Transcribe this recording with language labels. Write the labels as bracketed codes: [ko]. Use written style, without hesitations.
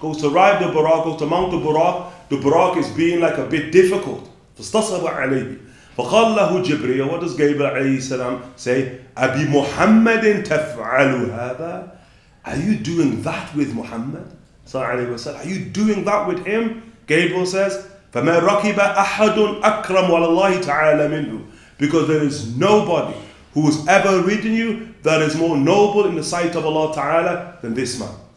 [en] Goes to ride the buraq, goes to mount the buraq. The buraq is being like a bit difficult. [ar] فَاسْتَصَبَ عَلَيْهِ. فَقَالْ لَهُ جِبْرِيَ. [en] What does Gabriel alayhi salam say? [ar] أَبِي مُحَمَّدٍ تَفْعَلُ هَذَا. [en] Are you doing that with Muhammad sallallahu alayhi wasallam? Are you doing that with him? Gabriel says, [ar] فَمَا رَكِبَ أَحَدٌ أَكْرَمُ عَلَى اللَّهِ تَعَالَى مِنْهُ. [en] Because there is nobody who has ever ridden you that is more noble in the sight of Allah Ta'ala than this man.